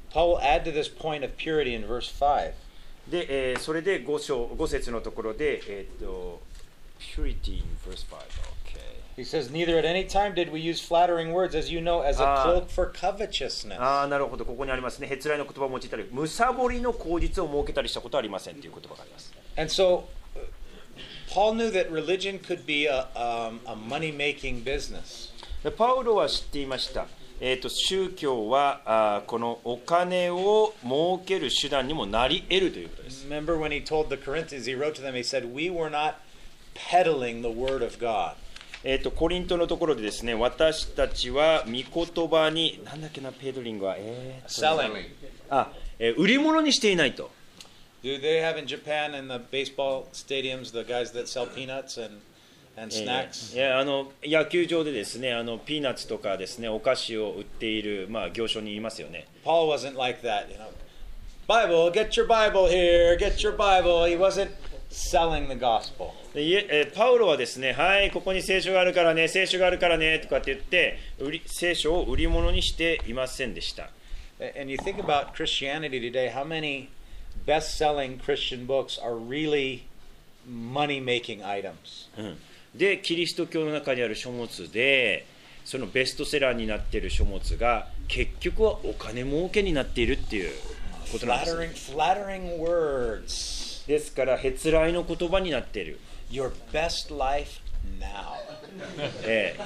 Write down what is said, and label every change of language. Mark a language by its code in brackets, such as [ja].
[en] Paul will add to this point of purity in verse 5. [ja] で、それで5節のところで、 [en] purity in verse 5. Okay. He says, neither at any time did we use flattering words, as you know, as a cloak for covetousness. [ja] ああ、なるほど。ここにありますね。へつらいの言葉を用いたり、むさぼりの口実を設けたりしたことはありませんという言葉があります。 [en] And so, Paul knew that religion could be a money-making business. [ja] で、パウロは知っていました。宗教はこのお金を儲ける手段にもなり得るということです。 [en] Remember when he told the Corinthians, he wrote to them, he said, we were not peddling the word of God. [ja] コリントのところでですね、私たちは御言葉に、なんだっけな、ペドリングは、 [en] selling. [ja] 売り物にしていないと。 [en] Do they have in Japan in the baseball stadiums the guys that sell peanuts and snacks. [ja] Yeah, あの野球場でですね、あのピーナッツとかですね、お菓子を売っている、まあ、行商にいますよね。 [en] Paul wasn't like that, you know. Bible, get your Bible here, get your Bible. He wasn't selling the gospel. [ja] パウロはですね、はい、ここに聖書があるからね、聖書があるからねとかって言って、聖書を売り物にしていませんでした。 [en] And you think about Christianity today, how many best-selling Christian books are really money-making items?、 [ja] うんで、キリスト教の中にある書物で、そのベストセラーになっている書物が、結局はお金儲けになっているっていうことなんです。 [en] Flattering words. [ja] ですから、へつらいの言葉になっている。 [en] Your best life now.